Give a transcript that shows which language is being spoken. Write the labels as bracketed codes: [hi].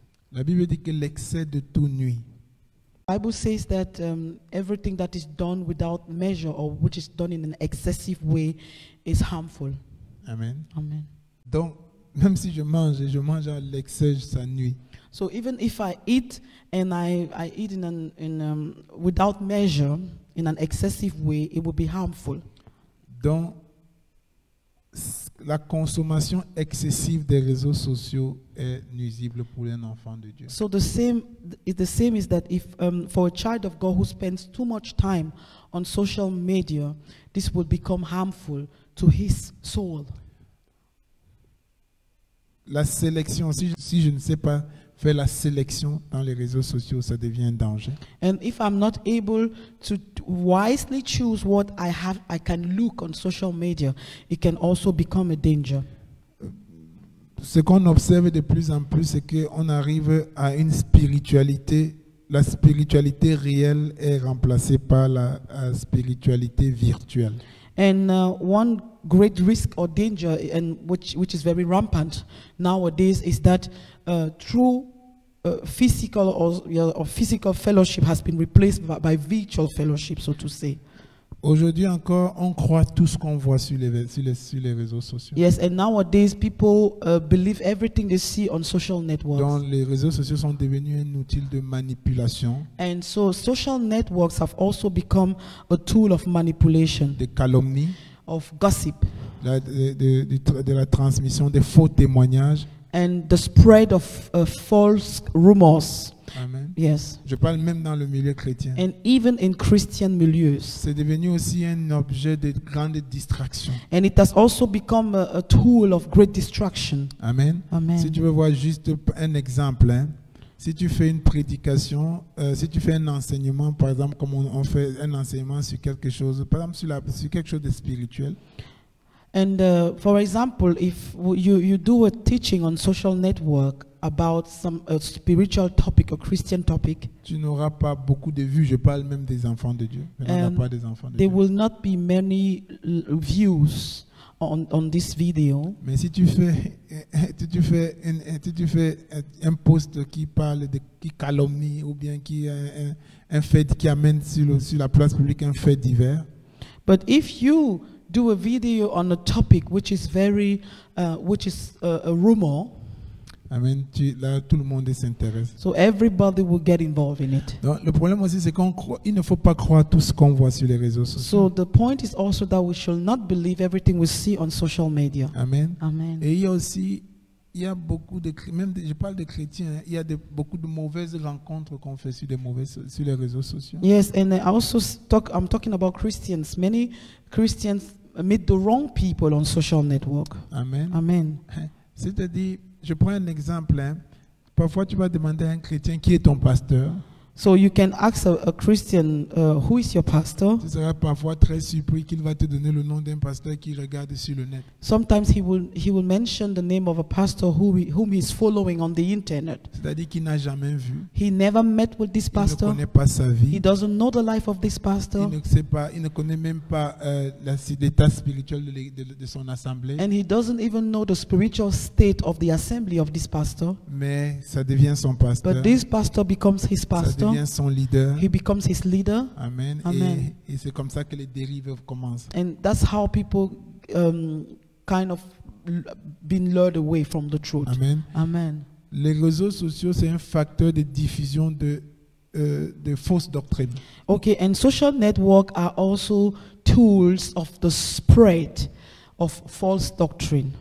[fr] La Bible dit que l'excès de tout nuit. [en] Bible says that everything that is done without measure or which is done in an excessive way is harmful. Amen. Amen. [fr] Donc même si je mange à l'excès sa nuit. [en] So even if I eat and I eat in without measure, in an excessive way, it will be harmful. [fr] Donc, la consommation excessive des réseaux sociaux est nuisible pour un enfant de Dieu. [en] So the same is that if for a child of God who spends too much time on social media, this will become harmful to his soul. [fr] La sélection, si je ne sais pas faire la sélection dans les réseaux sociaux, ça devient un danger. [en] And if I'm not able to wisely choose what I can look on social media, it can also become a danger. [fr] Ce qu'on observe de plus en plus, c'est qu'on arrive à une spiritualité. La spiritualité réelle est remplacée par la spiritualité virtuelle. [en] And one great risk or danger, and which is very rampant nowadays, is that true physical or physical fellowship has been replaced by virtual fellowship, so to say. [fr] Aujourd'hui encore, on croit tout ce qu'on voit sur les réseaux sociaux. [en] Yes, and nowadays people believe everything they see on social networks. [fr] Donc les réseaux sociaux sont devenus un outil de manipulation. [en] And so social networks have also become a tool of manipulation. [fr] De calomnie. [en] Of gossip. [fr] De la transmission de faux témoignages. [en] And the spread of false rumors. Amen. Yes. [fr] Je parle même dans le milieu chrétien. [en] And even in Christian milieux. [fr] C'est devenu aussi un objet de grande distraction. [en] And it has also become a tool of great distraction. Amen. Amen. [fr] Si tu veux voir juste un exemple, hein, si tu fais une prédication, si tu fais un enseignement, par exemple, comme on fait un enseignement sur quelque chose, par exemple sur quelque chose de spirituel. [en] And for example, if you do a teaching on social network about some spiritual topic or Christian topic, [fr] tu n'auras pas beaucoup de vues. Je parle même des enfants de Dieu. On n'a pas des enfants de [en] there [fr] Dieu. [en] Will not be many views on this video. [fr] Mais si tu fais un post qui parle de qui calomnie ou bien qui un fait qui amène sur la place publique un fait divers. [en] But if you do a video on a topic which is very which is a rumor. I mean, [fr] là tout le monde s'intéresse. [en] So everybody will get involved in it. [fr] Donc, le problème aussi c'est qu'on croit, il ne faut pas croire tout ce qu'on voit sur les réseaux sociaux. [en] So the point is also that we should not believe everything we see on social media. Amen. Amen. [fr] Et il y a beaucoup de même je parle de chrétiens, hein, il y a beaucoup de mauvaises rencontres qu'on fait sur les réseaux sociaux. [en] Yes, and I also I'm talking about Christians. Many Christians meet the wrong people on social network. Amen. Amen. [fr] C'est-à-dire, je prends un exemple, hein. Parfois tu vas demander à un chrétien qui est ton pasteur. [en] So you can ask a Christian who is your pastor? [fr] Tu seras parfois très surpris qu'il va te donner le nom d'un pasteur qu'il regarde sur le net. [en] Sometimes he will mention the name of a pastor whom he is following on the internet. [fr] C'est-à-dire qu'il n'a jamais vu. [en] He never met with this pastor. [fr] Il ne connaît pas sa vie. [en] He doesn't know the life of this pastor. [fr] Il ne connaît même pas l'état spirituel de son assemblée. [en] And he doesn't even know the spiritual state of the assembly of this pastor. [fr] Mais ça devient son pasteur. [en] But this pastor becomes his pastor. [fr] Ça devient son leader. [en] He becomes his leader. Amen. Amen. [fr] Et c'est comme ça que les dérives commencent. [en] And that's how people kind of been lured away from the truth. Amen. Amen. [fr] Les réseaux sociaux c'est un facteur de diffusion de fausses doctrines. [en] Okay, and social networks are also tools of the spread of false doctrine.